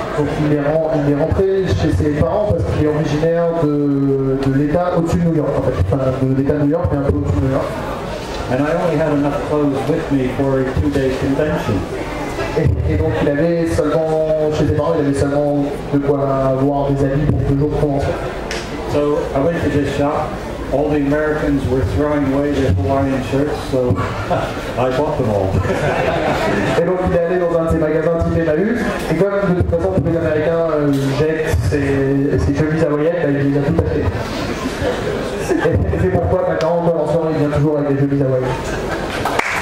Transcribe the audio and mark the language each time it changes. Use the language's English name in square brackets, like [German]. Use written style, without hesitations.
[French] Donc il est rentré chez ses parents parce qu'il est originaire de l'État au-dessus de New York en fait. Enfin de l'État de New York mais un peu au-dessus de New York. [English] And I only had enough clothes with me for a two-day convention. [French] Et donc il avait seulement chez ses parents, il avait seulement de quoi avoir des habits pour deux jours de convention. [English] So I went to this shop. All the Americans were throwing away their Hawaiian shirts, so I bought them all. [French] Et donc il est allé dans un de ces magasins type Emmaüs, et comme de toute façon tous les Américains jettent ses chemises hawaïennes, bah, il les a tout achetées. Et c'est pourquoi maintenant, dans l'ensemble, il vient toujours avec des chemises hawaïennes.